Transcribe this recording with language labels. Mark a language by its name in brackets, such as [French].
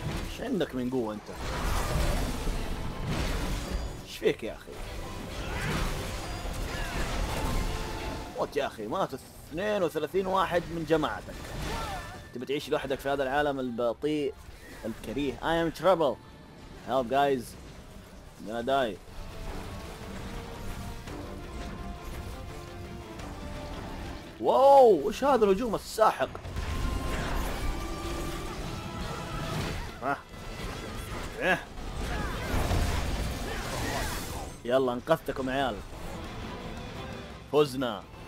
[Arabic] ايش عندك من قوة انت؟ ايش فيك يا اخي؟ موت يا اخي ماتوا 32 واحد من جماعتك. بتعيش لوحدك في هذا العالم البطيء الكريه. [English] I am trouble help guys I'm gonna die. [Arabic] واو وش هذا الهجوم الساحق؟ يلا انقذتكم عيال فزنا.